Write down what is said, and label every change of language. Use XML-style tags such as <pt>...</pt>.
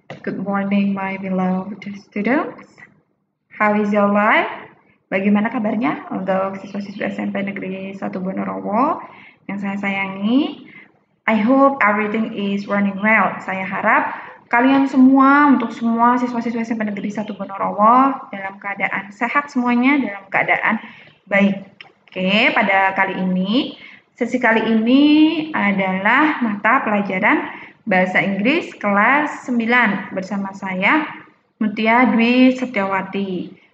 <en>Good morning, my beloved students. How is your life?</en> <id>Bagaimana kabarnya untuk siswa-siswa SMP Negeri 1 Bonorowo yang saya sayangi?</id> <en>I hope everything is running well.</en> <id>Saya harap kalian semua, untuk semua siswa-siswa SMP Negeri 1 Bonorowo dalam keadaan sehat semuanya, dalam keadaan baik. Oke, pada kali ini, sesi kali ini adalah mata pelajaran Bahasa Inggris kelas 9 bersama saya, Mutia Dwi Setiawati.</id>